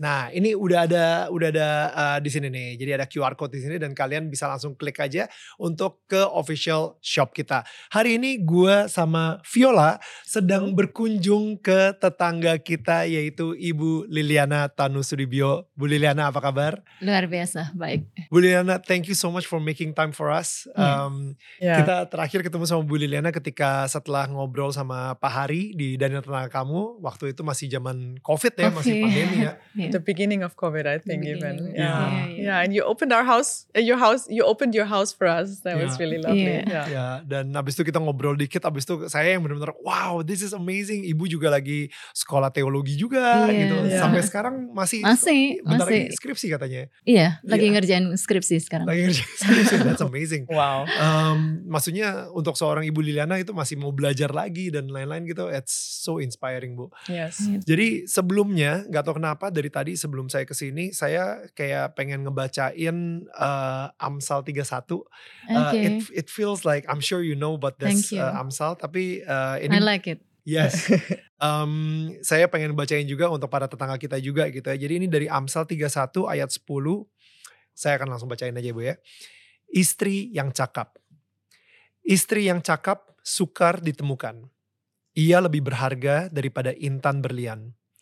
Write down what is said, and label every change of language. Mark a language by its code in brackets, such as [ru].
[id] Nah, ini udah ada di sini nih. Jadi ada QR code di sini dan kalian bisa langsung klik aja untuk ke official shop kita. Hari ini gue sama Viola sedang berkunjung ke tetangga kita yaitu Ibu Liliana Tanu Sudibyo. Bu Liliana, apa kabar? Luar biasa, baik. [en] Bu Liliana, thank you so much for making time for us. [id] Kita terakhir ketemu sama Bu Liliana ketika setelah ngobrol sama Pak Hari di Daniel Tenaga Kamu. Waktu itu masih zaman COVID ya, masih pandemi ya. [en] The beginning of COVID, I think even. And you opened our house, you opened your house for us. That was really lovely. [id] Dan abis itu kita ngobrol dikit, abis itu saya yang benar-benar, [en] wow, this is amazing. [id] Ibu juga lagi sekolah teologi juga gitu. Sampai sekarang masih lagi skripsi katanya. Lagi ngerjain skripsi sekarang. Lagi ngerjain skripsi, [en] that's amazing. Wow. [id] Maksudnya untuk seorang Ibu Liliana itu masih mau belajar lagi dan lain-lain gitu, [en] it's so inspiring, [id] Bu. [en] Yes. [id] Jadi sebelumnya, gak tau kenapa dari tadi sebelum saya kesini, saya kayak pengen ngebacain Amsal 31. Okay. [en] It feels like, I'm sure you know about this Amsal, [id] tapi ini... [en] I like it. Yes. [id] Saya pengen bacain juga untuk para tetangga kita juga gitu ya. Jadi ini dari Amsal 31 ayat 10. Saya akan langsung bacain aja Bu ya. Istri yang cakap. Istri yang cakap sukar ditemukan. Ia lebih berharga daripada intan berlian.